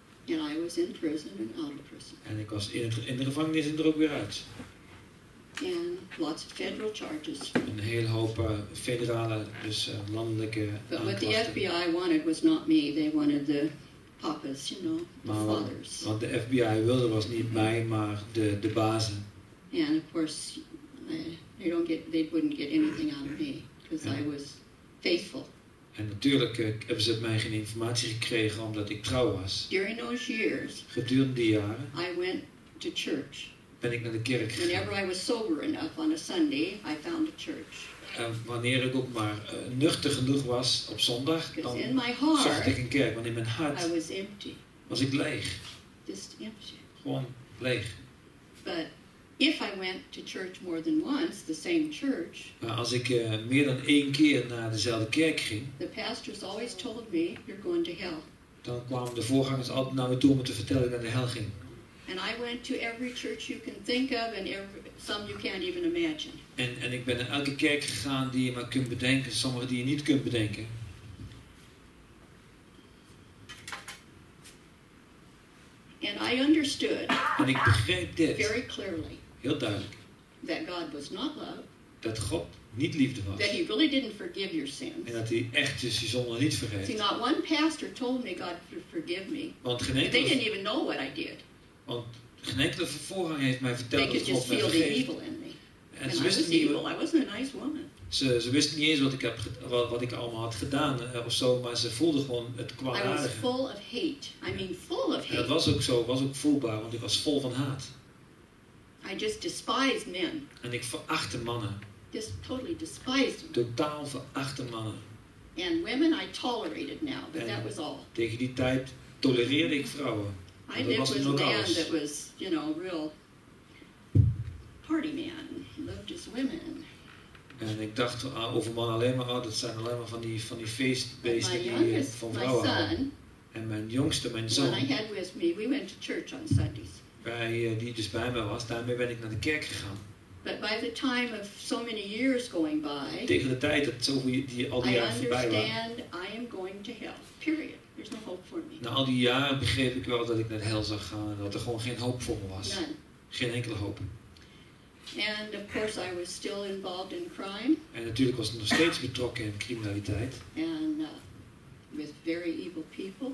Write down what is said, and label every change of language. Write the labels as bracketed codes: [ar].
[en] And I was in prison and out of prison. [nl] En ik was in de gevangenis en er ook weer uit. [en] And lots of federal charges. [nl] Een hele hoop federale, dus landelijke aanklachten. [en] But what the FBI wanted was not me. They wanted the papas, you know, the fathers. [nl] Wat de FBI wilde was niet mij, maar de bazen. [en] And of course, they wouldn't get anything out of me because I was faithful. [nl] En natuurlijk hebben ze op mij geen informatie gekregen omdat ik trouw was. [en] During those years. [nl] Gedurende die jaren. [en] I went to church. [nl] Ben ik naar de kerk gegaan. [en] Whenever I was sober enough on a Sunday, I found a church. [nl] En wanneer ik ook maar nuchter genoeg was op zondag, dan zocht ik een kerk. Want in mijn hart [en] I was, empty. [nl] Was ik leeg. [en] Just empty. [nl] Gewoon leeg. [en] But if I went to church more than once, the same church. [nl] Maar als ik meer dan één keer naar dezelfde kerk ging. [en] The pastors always told me, you're going to hell. [nl] Dan kwamen de voorgangers altijd naar me toe om me te vertellen dat ik naar de hel ging. [en] And I went to every church you can think of and some you can't even imagine. [nl] En ik ben naar elke kerk gegaan die je maar kunt bedenken, sommige die je niet kunt bedenken. [en] And I understood. [nl] En ik begreep dit. [en] Very clearly. [nl] Heel duidelijk. [en] That God was not love. [nl] Dat God niet liefde was. [en] That he really didn't forgive your sins. [nl] En dat hij echt dus je zonden niet vergeeft. [en] See, not one pastor told me God would forgive me. [nl] Want geen enkel. [en] They didn't even know what I did. [nl] Want geen enkele voorganger heeft mij verteld dat God mij vergeeft. En ze wisten niet. [en] I wasn't a nice woman. [nl] Ze wisten niet eens wat ik allemaal had gedaan of zo, maar ze voelden gewoon het kwaadaardige. I was full of hate. I mean, full of hate. Dat was ook zo. Was ook voelbaar, want ik was vol van haat. [en] I just despised men. [nl] En ik verachtte mannen. [en] Just totally despised them. [nl] Totaal verachtte mannen. [en] And women I tolerated now, but [nl] en [en] that was all. [nl] Tegen die tijd tolereerde ik vrouwen. [en] I lived with a man [nl] alles. [en] That was, you know, a real party man. He loved his women. And I [nl] dacht over man alleen maar, dat zijn alleen maar van die feestbeesten die van vrouwen. En mijn jongste, mijn zoon. [en] When I had with me, we went to church on Sundays. [nl] Die dus bij mij was, daarmee ben ik naar de kerk gegaan. [en] But by the time of so many years going by. [nl] Tegen de tijd dat al die jaren voorbij waren. [en] I understand I am going to hell. Period. There's no hope for me. [nl] Na al die jaren begreep ik wel dat ik naar de hel zou gaan en dat er gewoon geen hoop voor me was. [en] None. [nl] Geen enkele hoop. [en] And of course I was still involved in crime. [nl] En natuurlijk was ik nog steeds betrokken in criminaliteit. [en] And with very evil people.